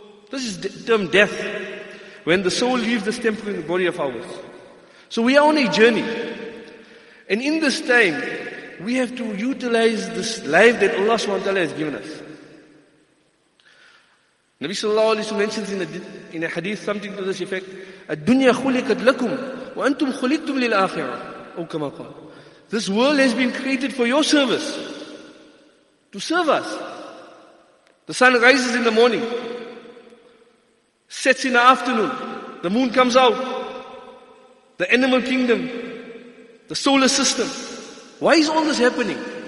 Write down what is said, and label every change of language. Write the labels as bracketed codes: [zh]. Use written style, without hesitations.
[en] This is termed death. When the soul leaves this temporary body of ours. So we are on a journey. And in this time, we have to utilize this life that Allah SWT has given us. Nabi sallallahu alayhi wa sallam mentions in a hadith something to this effect. [ar] الدنيا خلقت لكم وأنتم خلقتم للآخرة. أو كما قال. [en] This world has been created for your service. To serve us. The sun rises in the morning, sets in the afternoon, the moon comes out, the animal kingdom, the solar system. Why is all this happening?